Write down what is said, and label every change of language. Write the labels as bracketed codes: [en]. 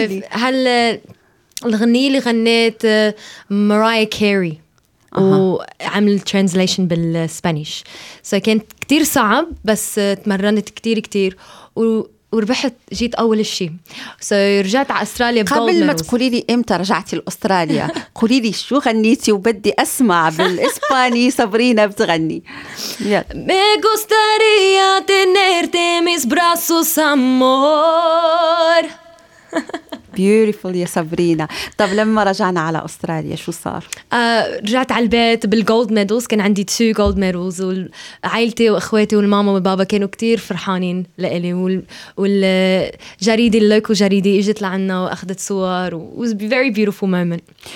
[ar] هل الغنية اللي غنيت مارايا كيري وعملت ترانسليشن بالسبانيش، كانت كتير صعب بس تمرنت كتير كتير وربحت، جيت اول شيء. رجعت على استراليا قبل ما تقولي لي امتى رجعتي لاستراليا. قولي لي شو غنيتي وبدي اسمع بالاسباني. صابرينا بتغني. [es] Me gustaría tenerte mis brazos amor. [ar] Beautiful يا صابرينا. طب لما رجعنا على استراليا شو صار؟ رجعت على البيت بالجولد ميدلز، كان عندي 2 جولد ميدلز، وعائلتي واخواتي والماما والبابا كانوا كتير فرحانين لإلي، والجريده اللوكو جريده اجت لعنا واخذت صور، [en] was very beautiful moment.